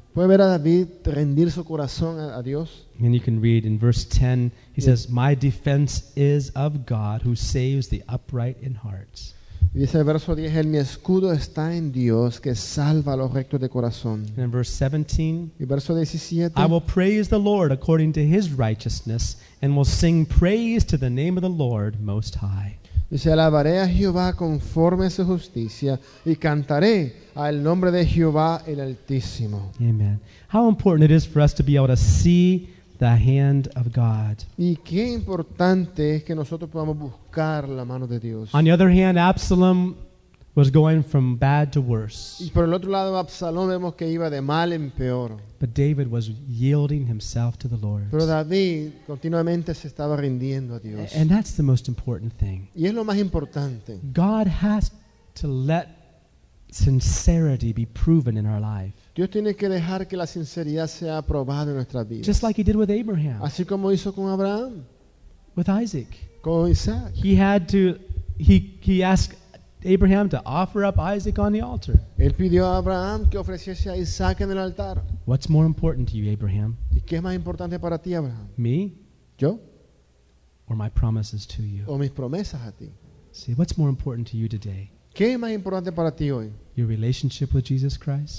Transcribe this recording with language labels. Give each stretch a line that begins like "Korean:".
Spanish: ¿Puede ver a David rendir su corazón a Dios?
English: And you can read in verse 10, he says, my defense is of God who saves the upright in heart.
Spanish: Dice el verso 10, mi escudo está en Dios que salva a los rectos de corazón.
English: And in verse 17,
Spanish: y verso 17,
English: I will praise the Lord according to his righteousness and will sing praise to the name of the Lord most high.
Spanish: Dice, alabaré a Jehová conforme a su justicia y cantaré al nombre de Jehová el Altísimo.
English: Amen. How important it is for us to be able to see the hand of God.
Spanish: Y qué importante es que nosotros podamos buscar la mano de Dios.
English: On the other hand, Absalom was going from bad to worse.
Spanish: Y por el otro lado, Absalom vemos que iba de mal en peor.
English: But David was yielding himself to the Lord.
Spanish: Pero David continuamente se estaba rindiendo a Dios.
English: And that's the most important thing.
Spanish: Y es lo más importante.
English: God has to let sincerity be proven in our life.
Spanish: Dios tiene que dejar que la sinceridad sea probada en nuestras vidas.
English: Just like he did with Abraham.
Spanish: Así como hizo con Abraham.
English: With Isaac.
Spanish: Con Isaac.
English: He asked Abraham to offer up Isaac on the altar.
Spanish: Él pidió a Abraham que ofreciese a Isaac en el altar.
English: What's more important to you, Abraham?
Spanish: ¿Y qué es más importante para ti, Abraham?
English: Me?
Spanish: Yo?
English: Or my promises to you?
Spanish: O mis promesas a ti.
English: See, what's more important to you today?
Spanish: ¿Qué es más importante para ti hoy?
English: Your relationship with Jesus Christ?